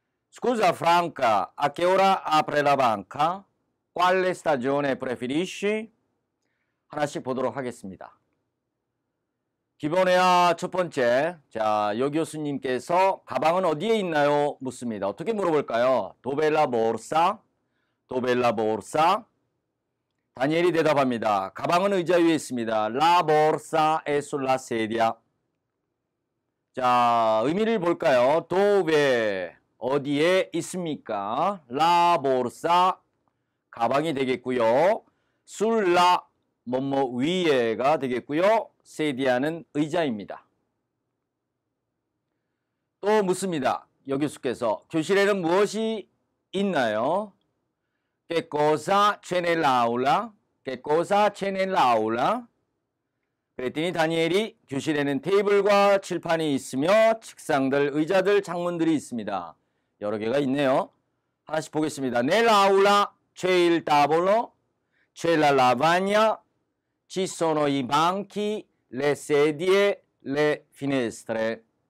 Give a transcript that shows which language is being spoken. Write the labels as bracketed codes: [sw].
[it] Scusa Franca, a che ora apre la banca? Quale stagione preferisci? [ko] 하나씩 보도록 하겠습니다. 기본회화 첫 번째, 자, 여 교수님께서 가방은 어디에 있나요? 묻습니다. 어떻게 물어볼까요? [it] Dove la borsa? Dove la borsa? [ko] 다니엘이 대답합니다. 가방은 의자 위에 있습니다. [it] La borsa è sulla sedia. [ko] 자, 의미를 볼까요? Dove, 어디에 있습니까? La borsa, 가방이 되겠고요. Sulla, 뭐뭐 위에가 되겠고요. 세디아는 의자입니다. 또 묻습니다. 여 교수께서 교실에는 무엇이 있나요? [it] Che cosa c'è nell'aula? Che cosa c'è nell'aula? [ko] 그랬더니 다니엘이 교실에는 테이블과 칠판이 있으며 책상들, 의자들, 창문들이 있습니다. 여러 개가 있네요. 하나씩 보겠습니다. [it] Nell'aula c'è il tavolo, c'è la lavagna, ci sono i banchi, le sedie, le finestre.